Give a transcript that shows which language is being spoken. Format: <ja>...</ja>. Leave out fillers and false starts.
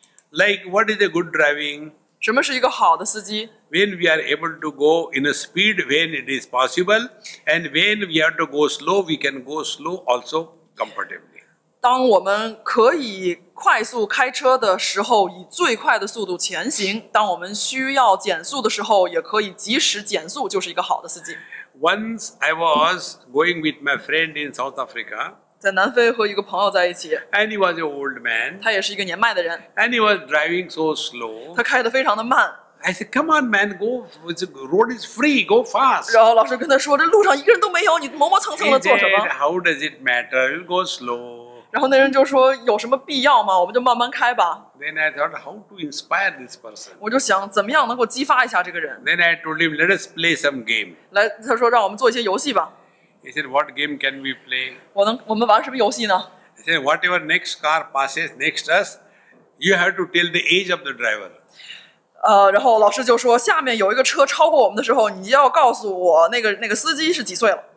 <en>Like what is a good driving?</en> <zh>什么是一个好的司机？</zh> <en>When we are able to go in a speed when it is possible, and when we have to go slow, we can go slow also comfortably.</en> <zh>当我们可以快速开车的时候以最快的速度前行，当我们需要减速的时候也可以及时减速，就是一个好的司机。</zh> <en>Once I was going with my friend in South Africa.</en> <zh>在南非和一个朋友在一起。</zh> <en>And he was an old man.</en> <zh>他也是一个年迈的人。</zh> <en>And he was driving so slow.</en> <zh>他开得非常的慢。</zh> <en>I said, come on, man, go, the road is free, go fast.</en> <zh>然后老师跟他说，这路上一个人都没有，你磨磨蹭蹭的做什么？</zh> <en>He said, how does it matter? You go slow.</en> <zh>然后那人就说，有什么必要吗？我们就慢慢开吧。</zh> <en>Then I thought, how to inspire this person?</en> <zh>我就想，怎么样能够激发一下这个人？</zh> <en>Then I told him, let us play some game.</en> <zh>来，他说，让我们做一些游戏吧。</zh> <en>He said, what game can we play?</en> <zh>我们玩什么游戏呢？</zh> <en>He said, whatever next car passes next us, you have to tell the age of the driver.</en> <zh>然后老师就说，下面有一个车超过我们的时候，你要告诉我那个司机是几岁了。</zh>